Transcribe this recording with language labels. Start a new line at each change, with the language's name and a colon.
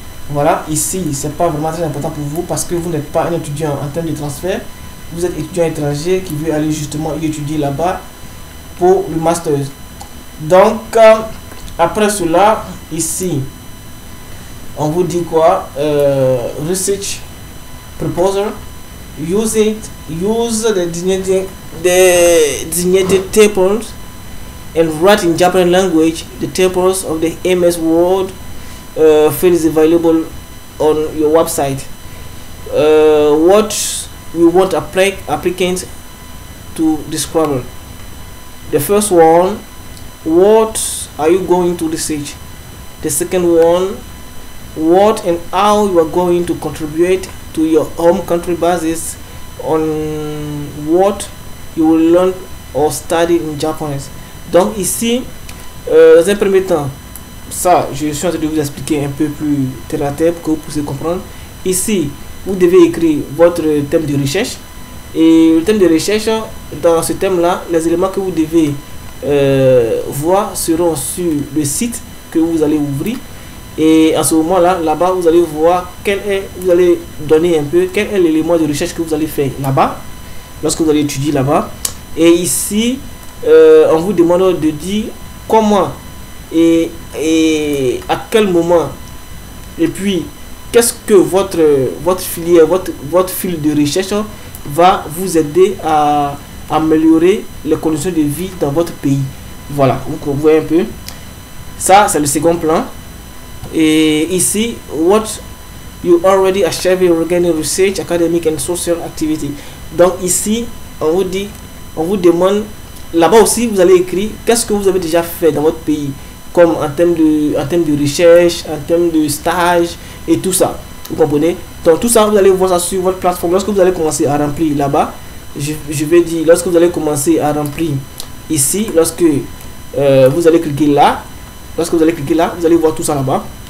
French: Voilà, ici, c'est pas vraiment très important pour vous parce que vous n'êtes pas un étudiant en termes de transfert. Vous êtes étudiant étranger qui veut aller justement y étudier là-bas pour le master. Donc, après cela, ici, on vous dit quoi?
English: Research proposal. Use the designated tables and write in Japanese language the tables of the MS Word field is available on your website. What we want applicants to describe. The first one, what are you going to research? The second one, what and how you are going to contribute to your home country basis on what you will learn or study in Japanese.
French: Donc ici, dans un premier temps, ça, je suis en train de vous expliquer un peu plus terre à terre pour que vous puissiez comprendre. Ici, vous devez écrire votre thème de recherche. Et le thème de recherche, dans ce thème-là, les éléments que vous devez voir seront sur le site que vous allez ouvrir. Et à ce moment-là, là-bas, vous allez voir quel est, vous allez donner un peu quel est l'élément de recherche que vous allez faire là-bas, lorsque vous allez étudier là-bas. Et ici, on vous demande de dire comment et à quel moment et puis qu'est-ce que votre filière, votre fil de recherche va vous aider à améliorer les conditions de vie dans votre pays. Voilà, vous voyez un peu. Ça, c'est le second plan. Et ici,
English: what you already achieved regarding research, academic and social activity.
French: Donc ici, on vous dit, on vous demande, là-bas aussi, vous allez écrire qu'est-ce que vous avez déjà fait dans votre pays, comme en termes de recherche, en termes de stage et tout ça. Vous comprenez? Donc tout ça, vous allez voir ça sur votre plateforme. Lorsque vous allez commencer à remplir là-bas, je vais dire, lorsque vous allez commencer à remplir ici, lorsque vous allez cliquer là, lorsque vous allez cliquer là, vous allez voir tout ça là-bas.